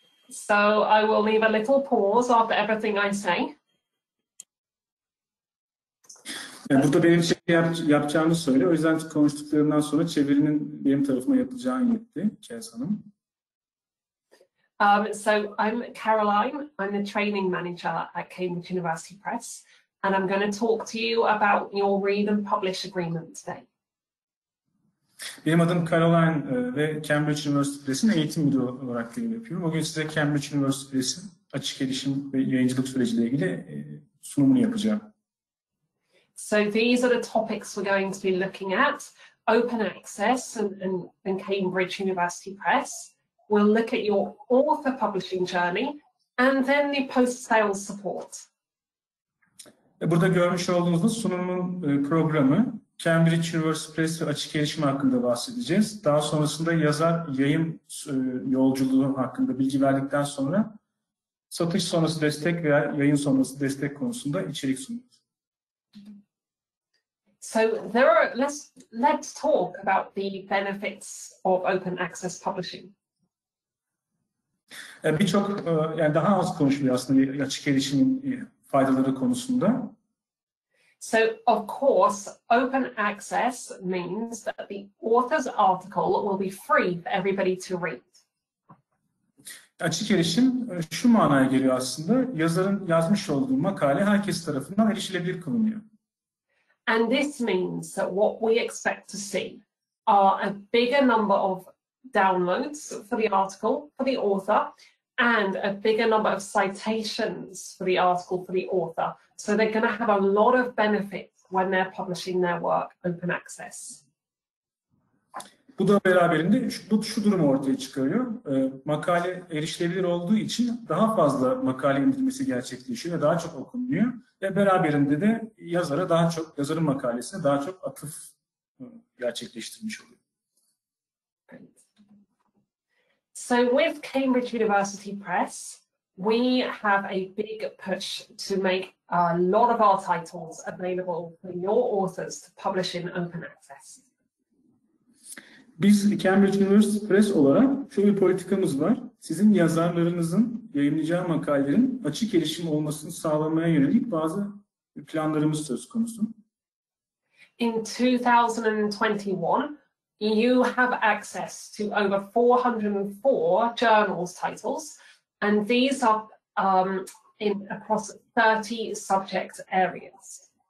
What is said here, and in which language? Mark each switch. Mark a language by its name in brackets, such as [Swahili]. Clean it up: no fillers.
[English] So I will leave a little pause after everything I say. [Turkish] Yani burada benim şey yapacağımı söyle. O yüzden konuştuklarından sonra çevirinin benim tarafıma yapacağını yetti Cez Hanım. [English] So I'm Caroline. I'm the training manager at Cambridge University Press. And I'm going to talk to you about your read and publish agreement today. [Turkish] Benim adım Caroline ve Cambridge University Press'in eğitim müdürü olarak görev yapıyorum. Bugün size Cambridge University Press'in açık erişim ve yayıncılık süreciyle ilgili sunumunu yapacağım. [English] So these are the topics we're going to be looking at, open access and Cambridge University Press. We'll look at your author publishing journey and then the post-sales support. [Turkish] Burada görmüş olduğunuz sunumun programı Cambridge University Press ve açık erişim hakkında bahsedeceğiz. Daha sonrasında yazar yayın yolculuğu hakkında bilgi verdikten sonra satış sonrası destek veya yayın sonrası destek konusunda içerik sunacağız. [English] So there are let's talk about the benefits of open access publishing. [Turkish] Birçok yani daha az konuşuluyor aslında açık erişimin faydaları konusunda. [English] So of course open access means that the author's article will be free for everybody to read. [Turkish] Açık erişim şu manaya geliyor aslında. Yazarın yazmış olduğu makale herkes tarafından erişilebilir kılınıyor. [English] And this means that what we expect to see are a bigger number of downloads for the article, for the author, and a bigger number of citations for the article, for the author. So they're going to have a lot of benefits when they're publishing their work open access. [Turkish] Bu da beraberinde şu durum ortaya çıkarıyor. Makale erişilebilir olduğu için daha fazla makale indirmesi gerçekleşiyor ve daha çok okunuyor. Ve beraberinde de yazara daha çok, yazarın makalesine daha çok atıf gerçekleştirmiş oluyor. [English] So with Cambridge University Press, we have a big push to make a lot of our titles available for your authors to publish in open access. [Turkish] Biz Cambridge University Press olarak şöyle bir politikamız var. Sizin yazarlarınızın yayınlayacağı makalelerin açık erişim olmasını sağlamaya yönelik bazı planlarımız söz konusu. [English] In 2021, you have access to over 404 journals titles, and these are in across 30 subject areas.